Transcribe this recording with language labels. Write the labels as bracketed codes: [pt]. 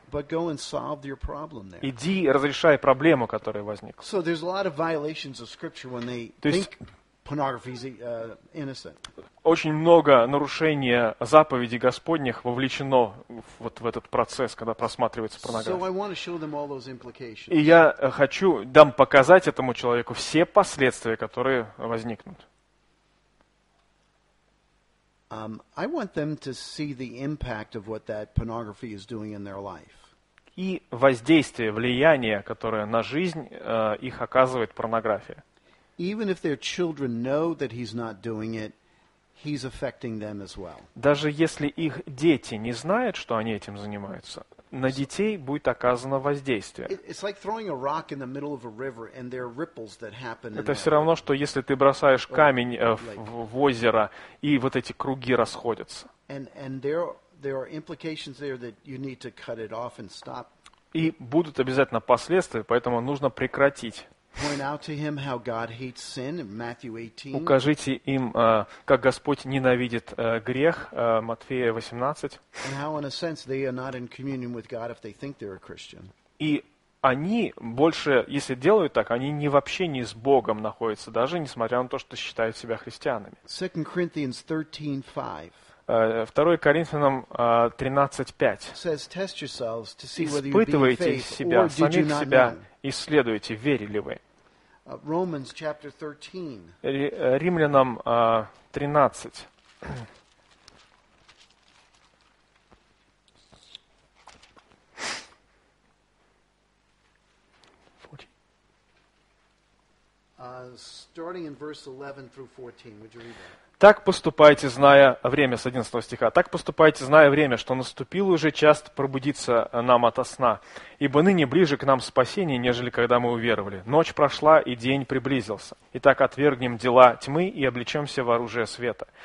[en] But go and solve your problem there. [ru] Иди, разрешай проблему, которая возникла. [en] So there's a lot of violations of scripture when they think pornography is innocent. [ru] Очень много нарушений заповедей Господних вовлечено вот в этот процесс, когда просматривается порнография. И я хочу дам показать этому человеку все последствия, которые возникнут. [en] I want them to see the impact of what that pornography is doing in their life. [ru] И воздействие, влияние, которое на жизнь их оказывает порнография. [en] Even if their children know that he's not doing it, he's affecting them as well. [ru] Даже если их дети не знают, что они этим занимаются, на детей будет оказано воздействие. [en] It's like throwing a rock in the middle of a river and there are ripples that happen. [ru] Это все равно, что если ты бросаешь камень в озеро, и вот эти круги расходятся. [en] And there are implications there that you need to cut it off and stop. [ru] И будут обязательно последствия, поэтому нужно прекратить. [en] Point out to him how God hates sin in Matthew 18. [ru] Укажите им, как Господь ненавидит грех, Матфея 18. [en] And how in a sense they are not in communion with God if they think they're a Christian. [ru] И они больше, если делают так, они не в общении с Богом находятся, даже несмотря на то, что считают себя христианами. [en] 2 Corinthians 13:5. [ru] 2 Коринфянам 13:5. [en] Says test yourselves to see whether you be in faith or did you not. [ru] Исследуйте, верили вы. [en] Romans chapter 13. [ru] Римлянам 13. [en] Starting in verse 11 through 14, would you read that? [ru] Так поступайте, зная время, с 11 стиха. Так поступайте, зная время, что наступил уже час пробудиться нам ото сна. Ибо ныне ближе к нам спасение, нежели когда мы уверовали. Ночь прошла, и день приблизился. Итак, отвергнем дела тьмы и облечемся в оружие света.